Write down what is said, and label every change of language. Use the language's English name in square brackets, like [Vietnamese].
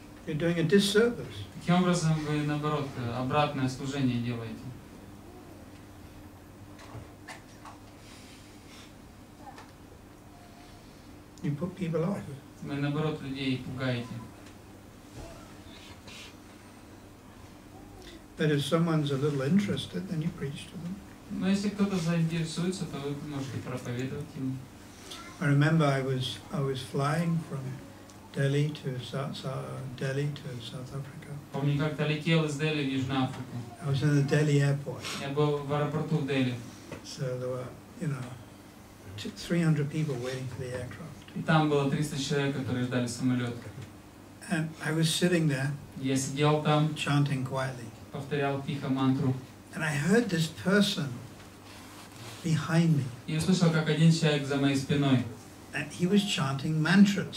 [English] You're doing a disservice. [Russian] Таким образом вы наоборот обратное служение делаете. [English] You put people off. [Russian] Вы наоборот людей пугаете. [English] But if someone's a little interested, then you preach to them. [Russian] Но если кто-то заинтересуется, то вы можете проповедовать ему. [English] I remember I was flying from Delhi to South Africa. [Russian] Помню, как-то летел из Дели в Южную Африку. [English] I was in the Delhi airport. [Russian] Я был в аэропорту в Дели. [English] So there were, you know, 300 people waiting for the aircraft. [Russian] И там было 300 человек, которые ждали самолет. [English] And I was sitting there, [Russian] я сидел там, [English] chanting quietly. [Russian] Повторял тихо мантру. [English] And I heard this person behind me. [Russian] Я слышал, как один человек за моей спиной. [English] And he was chanting mantras.